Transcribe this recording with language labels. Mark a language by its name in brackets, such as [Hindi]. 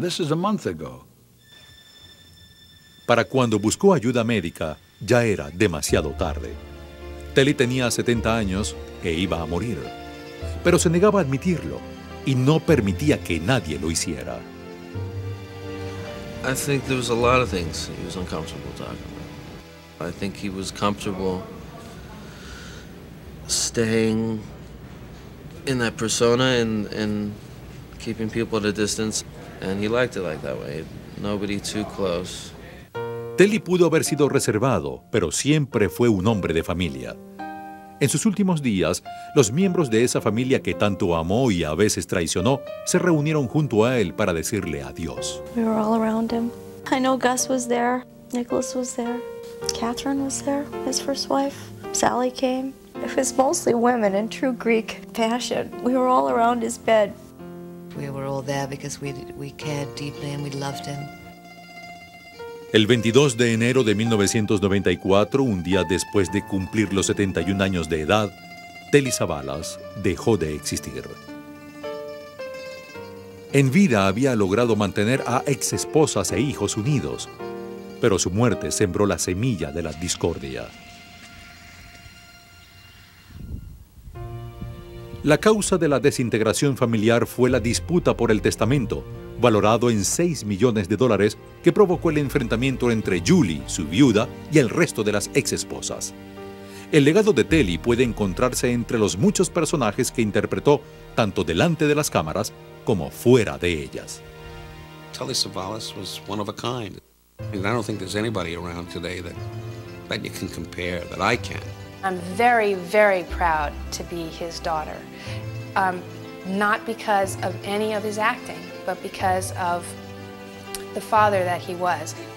[English] This is a month ago. [Spanish] Para cuando buscó ayuda médica, ya era demasiado tarde. Telly tenía 70 años e iba a morir. Pero se negaba a admitirlo y no permitía que nadie lo hiciera. [English] I think there was a lot of things he was uncomfortable talking about. I think he was comfortable staying in that persona and keeping people at a distance. And he liked it like that way. Nobody too close. [Spanish] Telly pudo haber sido reservado, pero siempre fue un hombre de familia. En sus últimos días, los miembros de esa familia que tanto amó y a veces traicionó se reunieron junto a él para decirle adiós. [English] We were all around him. I know Gus was there. Nicholas was there. Catherine was there, his first wife. Sally came. It was mostly women in true Greek fashion. We were all around his bed. We were all there because we cared deeply and we loved him. [Spanish] El 22 de enero de 1994, un día después de cumplir los 71 años de edad, Telly Savalas dejó de existir. En vida había logrado mantener a exesposas e hijos unidos, pero su muerte sembró la semilla de la discordia. La causa de la desintegración familiar fue la disputa por el testamento, valorado en 6 millones de dólares, que provocó el enfrentamiento entre Julie, su viuda, y el resto de las exesposas. El legado de Telly puede encontrarse entre los muchos personajes que interpretó tanto delante de las cámaras como fuera de ellas. [English] Telly Savalas was one of a kind. I mean, I don't think there's anybody around today that you can compare, that I can. I'm very, very proud to be his daughter. Not because of any of his acting, but because of the father that he was.